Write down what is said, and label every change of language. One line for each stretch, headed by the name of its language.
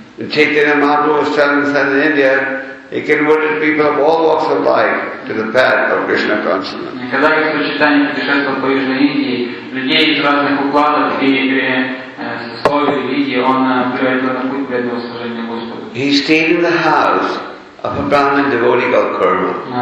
English: Chaitanya Mahaprabhu was traveling in southern India, He converted people of all walks of life to the path of Krishna consciousness.
Russian: Когда я сочетание путешествовал по Южной Индии, людей из разных укладов и сословий религии, он приводил на путь преданного служения Господу.
English: He stayed in the house of a Brahmin devotee called Kurma.